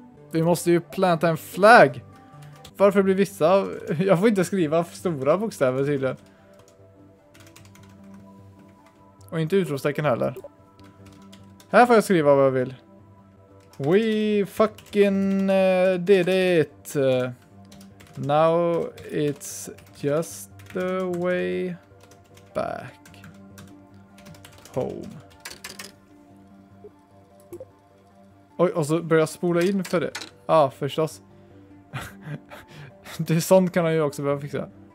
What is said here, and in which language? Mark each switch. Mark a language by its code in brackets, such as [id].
[sv] Vi måste ju planta en flagg. Varför blir vissa... Jag får inte skriva stora bokstäver tydligen. Och inte utropstecken heller. Här får jag skriva vad jag vill. [en] We fucking did it. Now it's just the way back home. [sv] Oj, och så börjar jag spola in för det. Ja, ah, förstås. Det är sånt kan han ju också behöva fixa.